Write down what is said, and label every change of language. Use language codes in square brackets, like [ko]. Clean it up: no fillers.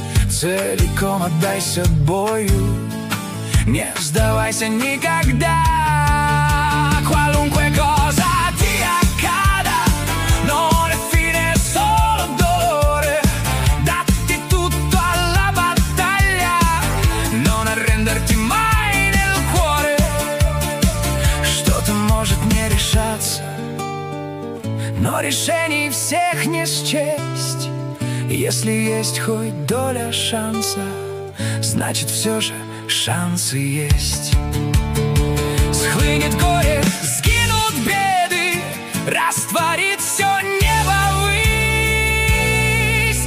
[ru] Целиком отдайся бою, не сдавайся никогда. [it] Qualunque cosa ti accada, non è fine, è solo dolore. Datti tutto alla battaglia, non arrenderti mai nel cuore. [ru] Что-то может не решаться, но решений всех не счесть. Если есть хоть доля шанса, значит, все же шансы есть. Схлынет горе, сгинут беды, растворит все небо ввысь.